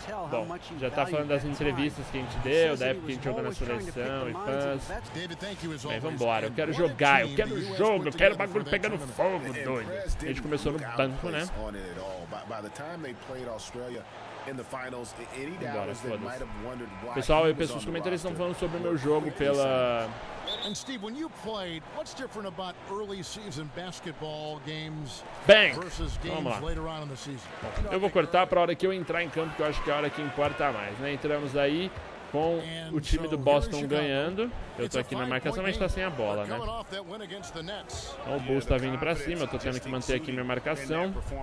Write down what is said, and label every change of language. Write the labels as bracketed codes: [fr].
[pt] Bom, já tá falando das entrevistas que a gente deu, da época que a gente jogou na seleção e fãs. Bem, vambora, eu quero jogar, eu quero jogo, eu quero bagulho pegando fogo, doido. A gente começou no banco, né? Vambora, foda-se. Pessoal, eu penso, os comentários estão falando sobre o meu jogo pela... [en] And Steve, when you played, what's different about early season basketball games Bang. Versus games later on in the season? [pt] Eu vou cortar para a hora que eu entrar em campo, que eu acho que é a hora que importa mais, né? Entramos aí com o time do Boston ganhando. Eu tô aqui na marcação, mas tá sem a bola, né? Então o Bulls tá vindo pra cima, eu tô tendo que manter aqui minha marcação.